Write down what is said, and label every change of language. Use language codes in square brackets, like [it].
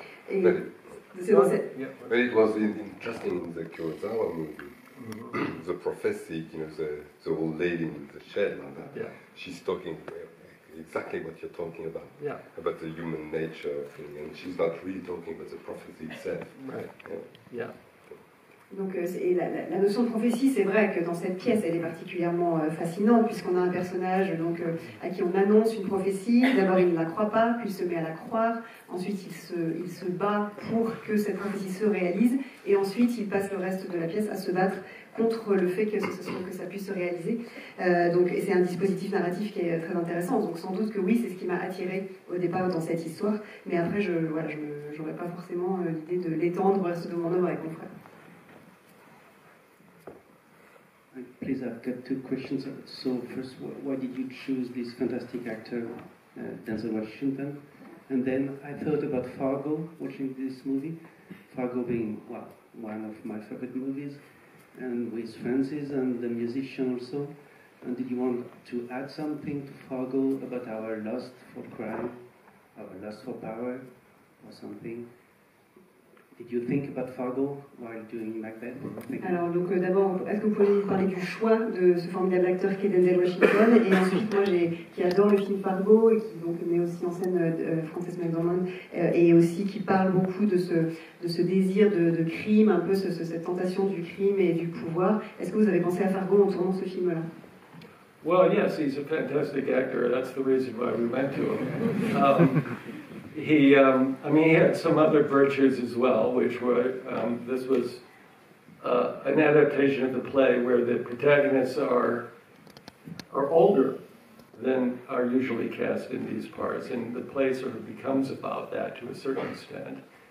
[en] But it was interesting in the Kurosawa movie. The prophecy, you know, the old lady in the shed, she's talking. Exactly what you're talking about, about the human nature thing, and she's not really talking about the prophecy itself. Right. [fr] Donc, et la notion de prophétie, c'est vrai que dans cette pièce, elle est particulièrement fascinante, puisqu'on a un personnage donc, à qui on annonce une prophétie. D'abord, il ne la croit pas, puis il se met à la croire. Ensuite, il se bat pour que cette prophétie se réalise. Et ensuite, il passe le reste de la pièce à se battre contre le fait que ça puisse se réaliser. Donc, et c'est un dispositif narratif qui est très intéressant. Donc, sans doute que oui, c'est ce qui m'a attiré au départ dans cette histoire. Mais après, j'aurais pas forcément l'idée de l'étendre au reste de mon œuvre avec mon frère. [en] Please, I've got two questions. So first, why did you choose this fantastic actor, Denzel Washington? And then I thought about Fargo, watching this movie. Fargo being, well, one of my favorite movies, and with Francis and the musician also. And did you want to add something to Fargo about our lust for crime, our lust for power, or something? Did you think about Fargo while doing Macbeth? [fr] Alors, donc, d'abord, est-ce que vous pouvez nous parler du choix de ce formidable acteur qui est Denzel Washington, et ensuite, moi, qui adore le film Fargo, et qui donc, met aussi en scène Frances McDormand, et aussi qui parle beaucoup de ce désir de crime, un peu cette tentation du crime et du pouvoir. Est-ce que vous avez pensé à Fargo en tournant ce film-là? [en] Well, yes, he's a fantastic actor. That's the reason why we went to him. He had some other virtues as well, which were, this was an adaptation of the play where the protagonists are older than are usually cast in these parts, and the play sort of becomes about that to a certain extent.